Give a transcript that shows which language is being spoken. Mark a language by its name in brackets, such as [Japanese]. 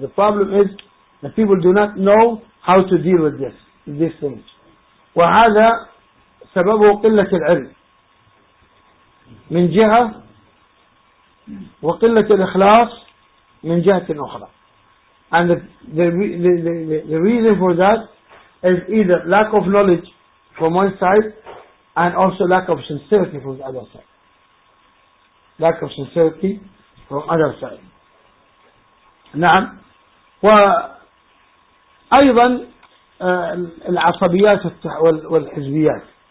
[English] The problem is that people do not know how to deal with this things. [Arabic] وهذا سببه قلة العلم من جهة، وقلة الإخلاص من جهة أخرى. [English] And the reason for that is either lack of knowledge from one side and also lack of sincerity from the other side. Lack of sincerity from other side. [Arabic] نعم. وأيضا العصبيات والحزبيات.